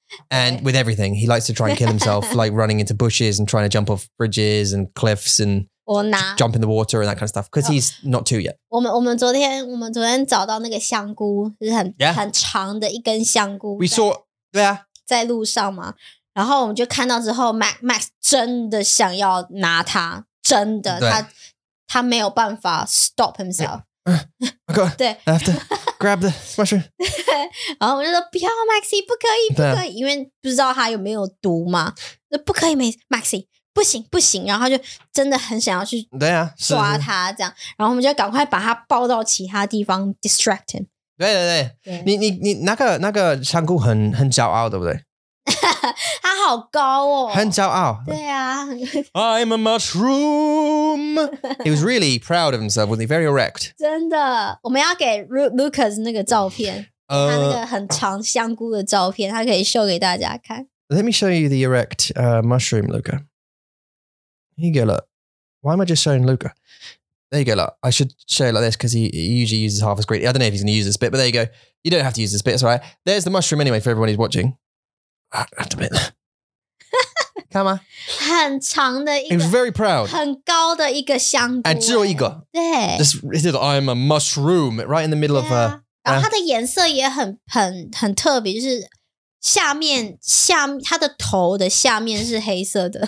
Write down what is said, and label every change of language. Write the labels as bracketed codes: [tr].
[en] And with everything, he likes to try and kill himself, like running into bushes and trying to jump off bridges and cliffs and jump in the water and that kind of stuff, because he's not two yet. [zh] 我们昨天 找到那个香菇, 就是很, [en] yeah. [zh] 很长的一根香菇, [en] we saw, yeah. [zh] 在路上嘛, 然后我们就看到之后, Max 真的想要拿他, 真的, 他没有办法 [en] stop himself. Oh God, [zh] 对, [en] I have to grab the mushroom. [zh] 然后我就说, 不要, Maxi, 不可以, 不可以, 因为不知道他有没有毒嘛, 不可以, Maxi, 不行, 不行, 然后他就真的很想要去抓他这样, 然后我们就赶快把他抱到其他地方, [en] distract him. [zh] 对对对,你那个香菇很骄傲,对不对? 他好高哦很骄傲对啊 [en] I'm a mushroom. He was really proud of himself, wasn't he? Very erect. [zh] 真的 我们要给 Lucas 那个照片 他那个很长香菇的照片 他可以秀给大家看 [en] Let me show you the erect mushroom, Luca. Here you go, look. Why am I just showing Luca? There you go, look. I should show it like this because he usually uses half a screen. I don't know if he's going to use this bit, but there you go. You don't have to use this bit, it's all right. There's the mushroom anyway for everyone who's watching. Come on. He was very proud. [zh] 很高的一个香菇, and 只有一个, 对, [en] this, he said, I'm a mushroom, right in the middle of her. [zh] 然后它的颜色也很特别, 就是下面, 它的头的下面是黑色的。